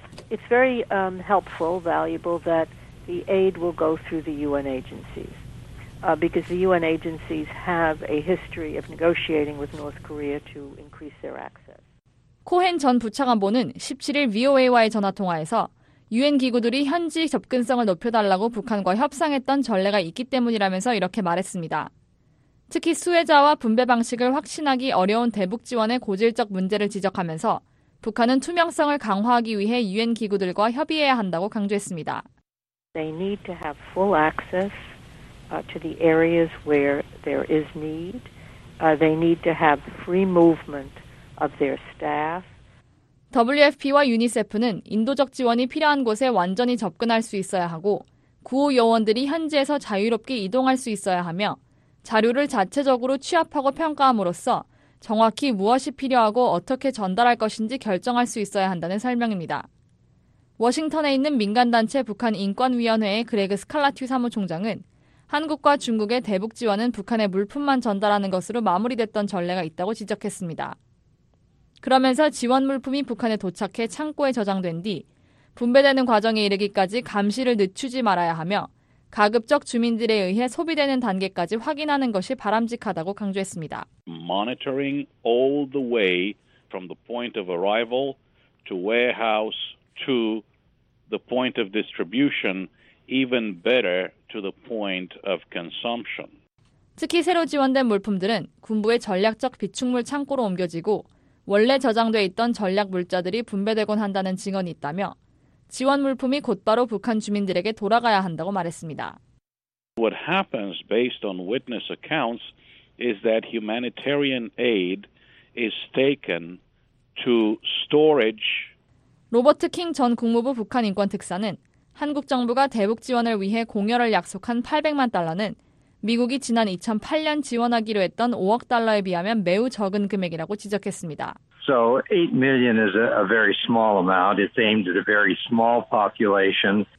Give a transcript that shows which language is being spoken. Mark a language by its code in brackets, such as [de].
[en] It's very helpful, valuable that the aid will go through the UN agencies. Because the UN agencies have a history of negotiating with North Korea to increase their access. [ko] 코헨 전 부차관보는 17일 VOA와의 전화 통화에서 유엔 기구들이 현지 접근성을 높여달라고 북한과 협상했던 전례가 있기 때문이라면서 이렇게 말했습니다. 특히 수혜자와 분배 방식을 확신하기 어려운 대북 지원의 고질적 문제를 지적하면서 북한은 투명성을 강화하기 위해 유엔 기구들과 협의해야 한다고 강조했습니다. [en] They need to have full access. To the areas where there is need. They need to have free movement of their staff. [ko] WFP와 유니세프는 인도적 지원이 필요한 곳에 완전히 접근할 수 있어야 하고 구호 요원들이 현지에서 자유롭게 이동할 수 있어야 하며 자료를 자체적으로 취합하고 평가함으로써 정확히 무엇이 필요하고 어떻게 전달할 것인지 결정할 수 있어야 한다는 설명입니다. 워싱턴에 있는 민간단체 북한인권위원회의 그레그 스칼라튜 사무총장은 한국과 중국의 대북 지원은 북한의 물품만 전달하는 것으로 마무리됐던 전례가 있다고 지적했습니다. 그러면서 지원 물품이 북한에 도착해 창고에 저장된 뒤 분배되는 과정에 이르기까지 감시를 늦추지 말아야 하며 가급적 주민들에 의해 소비되는 단계까지 확인하는 것이 바람직하다고 강조했습니다. [en] Monitoring all the way from the point of arrival to warehouse to the point of distribution, even better to the point of consumption. [ko] 특히 새로 지원된 물품들은 군부의 전략적 비축물 창고로 옮겨지고 원래 저장돼 있던 전략 물자들이 분배되곤 한다는 증언이 있다며 지원 물품이 곧바로 북한 주민들에게 돌아가야 한다고 말했습니다. [en] What happens based on witness accounts is that humanitarian aid is taken to storage. [ko] 로버트 킹 전 국무부 북한 인권 특사는 한국 정부가 대북 지원을 위해 공여를 약속한 800만 달러는 미국이 지난 2008년 지원하기로 했던 5억 달러에 비하면 매우 적은 금액이라고 지적했습니다. [en] So 8 million is a very small amount. It's aimed at a very small population.